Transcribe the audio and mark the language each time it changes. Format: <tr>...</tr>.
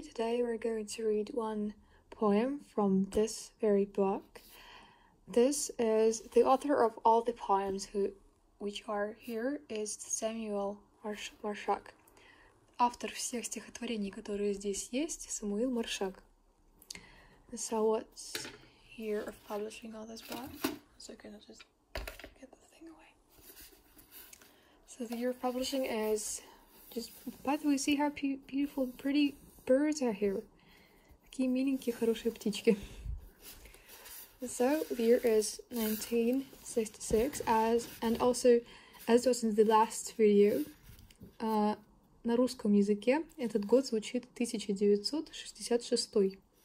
<en>Today we're going to read one poem from this very book. This is the author of all the poems which are here is Samuel Marshak.</en> <ru>Автор всех стихотворений, которые здесь есть, Самуил Маршак.</ru> <en>So what's here of publishing all this book? So can I just get the thing away? So the year of publishing is... Just, by the way, see how beautiful and pretty birds are here.</en> <ru>Какие миленькие хорошие птички.</ru> <en>So, the year is 1966, as was in the last video,</en> <ru>на русском языке этот год звучит 1966.</ru>